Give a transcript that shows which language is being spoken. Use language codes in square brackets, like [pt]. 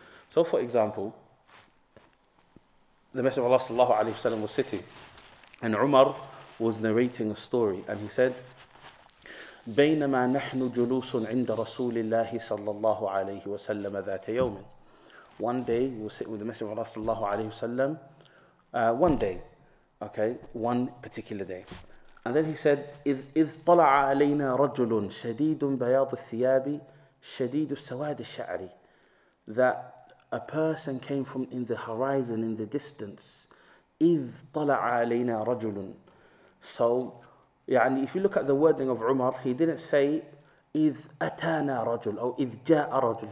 [en] So, for example, the Messenger of Allah sallallahu alaihi wasallam was sitting, and Umar was narrating a story, and he said, [ar] بينما نحن جلوس عند رسول الله صلى الله عليه وسلم ذات يوم. [en] One day we sit with the Messenger of Allah صلى الله عليه وسلم. One day, okay, one particular day. And then he said, [ar] إذ طلع علينا رجل شديد بياض الثياب شديد السواد الشعري. [en] That a person came from in the horizon, in the distance. [ar] إذ طلع علينا رجل. [en] So, يعني if you look at the wording of Umar, he didn't say [ar] إذ أتانا رجل أو إذ جاء رجل.